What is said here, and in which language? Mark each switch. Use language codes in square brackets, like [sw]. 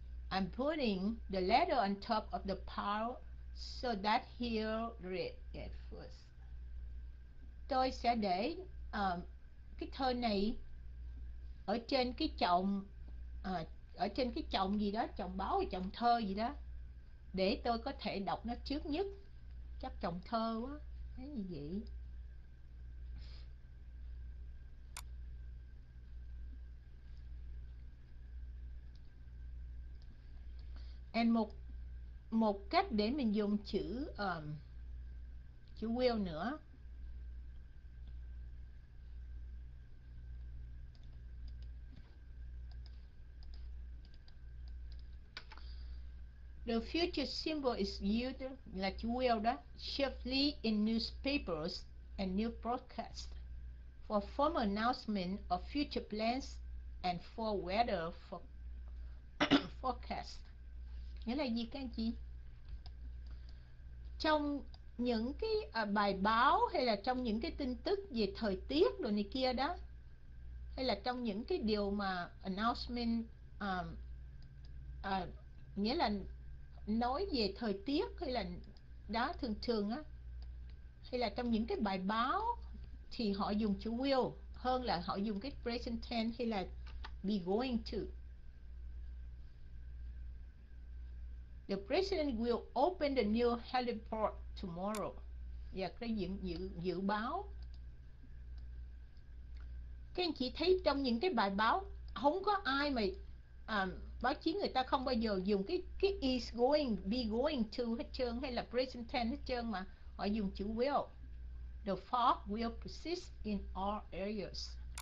[en] I'm putting the letter on top of the pile so that he'll read it first. [vi] Tôi sẽ để cái thơ này ở trên cái chồng gì đó, chồng báo hay chồng thơ gì đó, để tôi có thể đọc nó trước nhất. Chắc chồng thơ quá, thấy như vậy. And một một cách để mình dùng chữ chữ will nữa. [en] The future symbol is used [vi] là chữ will đó, [en] chiefly in newspapers and new broadcasts for formal announcement of future plans and for weather forecast. [vi] Nghĩa là gì các anh chị? Trong những cái bài báo hay là trong những cái tin tức về thời tiết đồ này kia đó, hay là trong những cái điều mà announcement nghĩa là nói về thời tiết hay là đó thường thường á, hay là trong những cái bài báo thì họ dùng chữ will hơn là họ dùng cái present tense hay là be going to. [en] The president will open the new heliport tomorrow. [vi] Và cái dự báo. Các anh chị thấy trong những cái bài báo không có ai mà báo chí người ta không bao giờ dùng cái is going, be going to hết trơn hay là present tense hết trơn mà họ dùng chữ will. [en] The fog will persist in all areas.